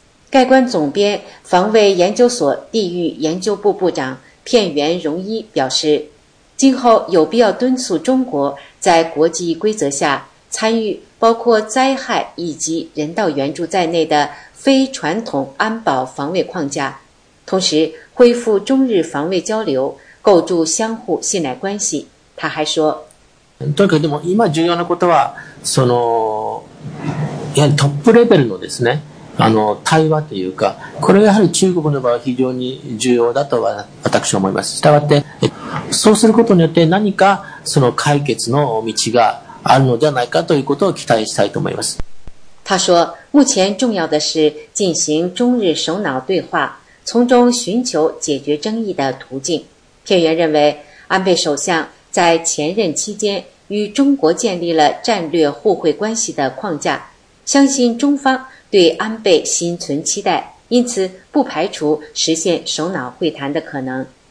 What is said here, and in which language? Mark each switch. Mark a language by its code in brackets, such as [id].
[zh] 概观总编、防卫研究所地域研究部部长片原荣一表示，今后有必要敦促中国在国际规则下参与包括灾害以及人道援助在内的非传统安保防卫框架，同时恢复中日防卫交流，构筑相互信赖关系。他还说， [ja] だけども今重要なことはそのトップレベルのですね、あの対話というか、これはやはり中国の場合非常に重要だとは私は思います。したがってそうすることによって何かその解決の道があるのではないかということを期待したいと思います。 [zh] 他说，目前重要的是进行中日首脑对话，从中寻求解决争议的途径。片原认为，安倍首相在前任期间与中国建立了战略互惠关系的框架，相信中方对安倍心存期待，因此不排除实现首脑会谈的可能。